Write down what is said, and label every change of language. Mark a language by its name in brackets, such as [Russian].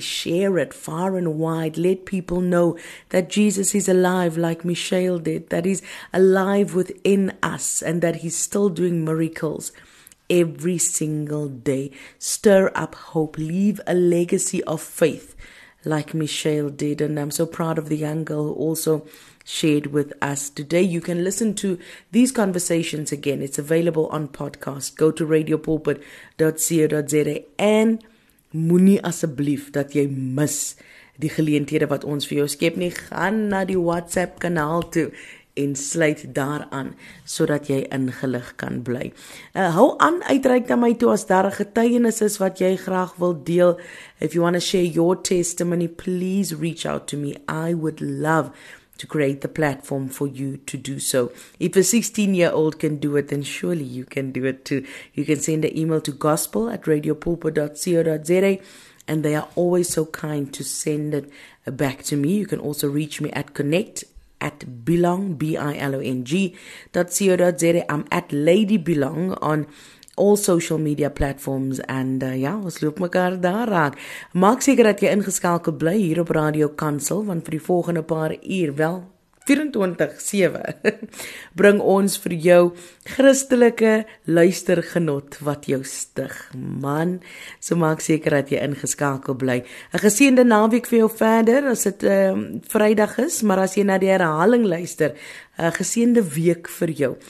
[English] Share it far and wide. Let people know that Jesus is alive, like Michelle did, that He's alive within us, and that He's still doing miracles every single day. Stir up hope, leave a legacy of faith like Michelle did. And I'm so proud of the young girl who also shared with us today. You can listen to these conversations again. It's available on podcast. [Afrikaans] Go to radiopulpit.co.za and moenie asseblief dat jy mis die geleenthede wat ons vir jou skep nie. Gaan na die WhatsApp kanaal toe en sluit daaraan sodat jy ingelig kan bly. Hou aan uitreik na my toe as daar 'n getuienis is wat jy graag wil deel. [English] If you want to share your testimony, please reach out to me. I would love to create the platform for you to do so. If a 16-year-old can do it, then surely you can do it too. You can send an email to gospel@radiopulpit.co.za, and they are always so kind to send it back to me. You can also reach me at connect at belong, B-I-L-O-N-G .co.za. I'm at Lady Belong on all social media platforms. [Afrikaans] And ons loop mekaar daar raak. Maak seker dat jy ingeskakel bly hier op Radio Kansel, want vir die volgende paar uur, wel 24/7, bring ons vir jou Christelike luistergenot wat jou stig, man. So maak seker dat jy ingeskakel bly. 'N geseënde naweek vir jou verder, as dit Vrydag is, maar as jy na die herhaling luister, 'n geseënde week vir jou.